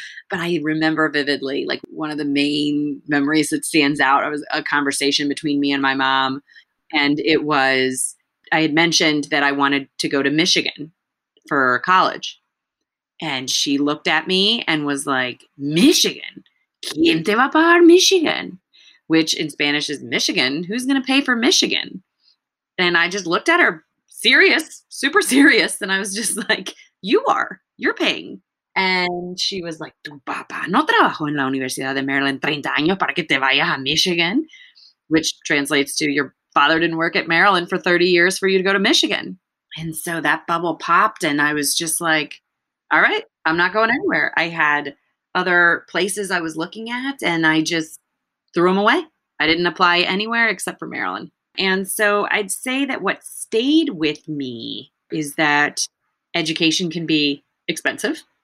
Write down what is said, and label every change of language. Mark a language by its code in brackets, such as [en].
[en] But I remember vividly, like one of the main memories that stands out, it was a conversation between me and my mom. And it was, I had mentioned that I wanted to go to Michigan for college. And she looked at me and was like, Michigan? [es] ¿Quién te va a pagar Michigan? [en] Which in Spanish is Michigan. Who's going to pay for Michigan? And I just looked at her serious, super serious. And I was just like, you are. You're paying. And she was like, [es] tu papá no trabajó en la Universidad de Maryland 30 años para que te vayas a Michigan. [en] Which translates to your father didn't work at Maryland for 30 years for you to go to Michigan. And so that bubble popped. And I was just like, all right, I'm not going anywhere. I had other places I was looking at and I just threw them away. I didn't apply anywhere except for Maryland. And so I'd say that what stayed with me is that education can be expensive.